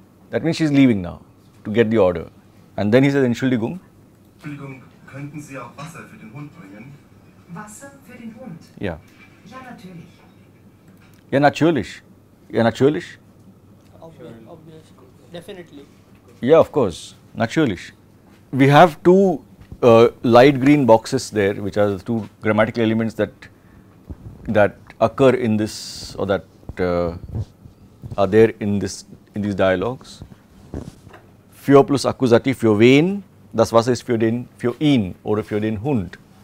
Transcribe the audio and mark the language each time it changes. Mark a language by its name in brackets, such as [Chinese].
[English] That means she's leaving now to get the order. And then he says, [German] Entschuldigung. Entschuldigung, könnten Sie auch Wasser für den Hund bringen? Wasser für den Hund? Ja. Ja, natürlich. Ja, natürlich. Ja, natürlich. [English] Obviously. Definitely. Yeah, of course. [German] Natürlich. [English] We have two light green boxes there, which are the two grammatical elements that occur in this, or that are there in these dialogues. [German] Für plus Akkusativ für wen, das Wasser ist für ihn oder für den Hund.